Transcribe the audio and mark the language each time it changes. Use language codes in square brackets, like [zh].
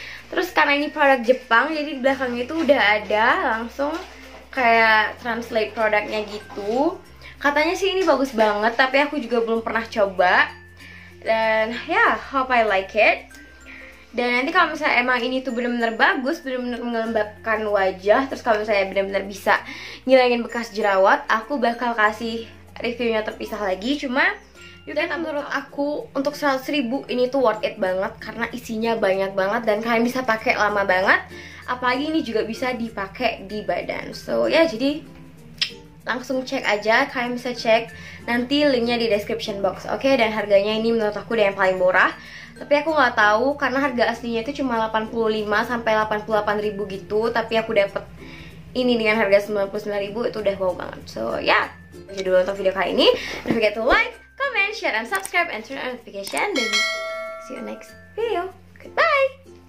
[id] Terus karena ini produk Jepang, jadi di belakangnya itu udah ada langsung kayak translate produknya gitu. Katanya sih ini bagus banget, tapi aku juga belum pernah coba. Dan ya, [en] yeah, hope I like it. [id] Dan nanti kalau misalnya emang ini tuh benar-benar bagus, benar-benar mengelembabkan wajah, terus kalau misalnya benar-benar bisa ngilangin bekas jerawat, aku bakal kasih reviewnya terpisah lagi. Cuma dan menurut aku untuk 100 ribu ini tuh [en] worth it [id] banget, karena isinya banyak banget dan kalian bisa pakai lama banget. Apalagi ini juga bisa dipakai di badan. So ya, yeah, jadi langsung cek aja, kalian bisa cek nanti linknya di description box. Oke, okay? Dan harganya ini menurut aku yang paling murah. Tapi aku gak tahu karena harga aslinya itu cuma 85 sampai 88 ribu gitu. Tapi aku dapet ini dengan harga 99 ribu, itu udah wow banget. So ya, yeah, itu dulu untuk video kali ini. [en] Don't forget to like, comment, share, and subscribe, and turn on notification. [id] Dan [en] see you next video. Goodbye.